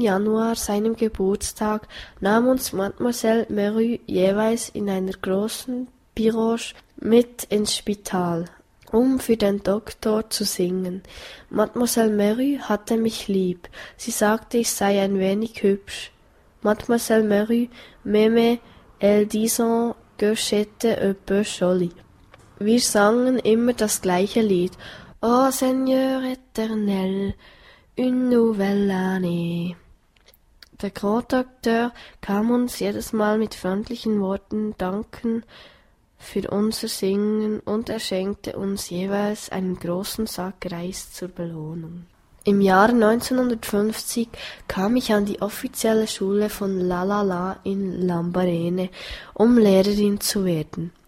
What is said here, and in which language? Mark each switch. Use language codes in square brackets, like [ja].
[de] Januar, seinem Geburtstag, nahm uns Mademoiselle Meru jeweils in einer großen Pirouche mit ins Spital, um für den Doktor zu singen. Mademoiselle Meru hatte mich lieb. Sie sagte, ich sei ein wenig hübsch. [fr] Mademoiselle Meru m'aimait, elle disant que j'étais un peu jolie. [de] Wir sangen immer das gleiche Lied. [fr] O Seigneur éternel, une nouvelle année. [de] Der Co-Doktor kam uns jedes Mal mit freundlichen Worten danken für unser Singen und er schenkte uns jeweils einen großen Sack Reis zur Belohnung. Im Jahr 1950 kam ich an die offizielle Schule von La La La in Lambarene, um Lehrerin zu werden.